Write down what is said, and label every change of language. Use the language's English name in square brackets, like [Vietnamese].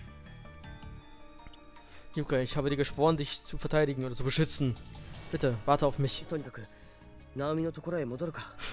[Japanese] しゃがんでても仕方がないか。うん。ゆか、きっと助けに行くぞ。待っててくれ。ゆか, [German] ich habe dir geschworen, dich zu verteidigen oder zu beschützen. Bitte, warte auf mich. [Japanese] とにかく、ナオミのところへ戻るか。